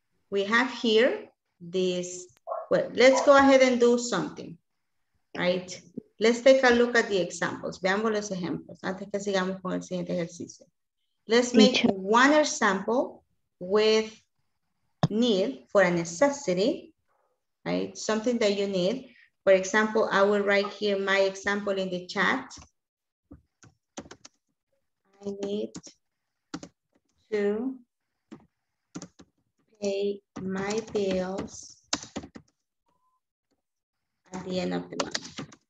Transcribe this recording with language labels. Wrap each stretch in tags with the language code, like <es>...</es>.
<en>We have here this, well, let's go ahead and do something, right? Let's take a look at the examples.</en> <es>Veamos los ejemplos antes que sigamos con el siguiente ejercicio.</es> <en>Let's make one example with need for a necessity, right? Something that you need. For example, I will write here my example in the chat. I need to pay my bills at the end of the month.</en>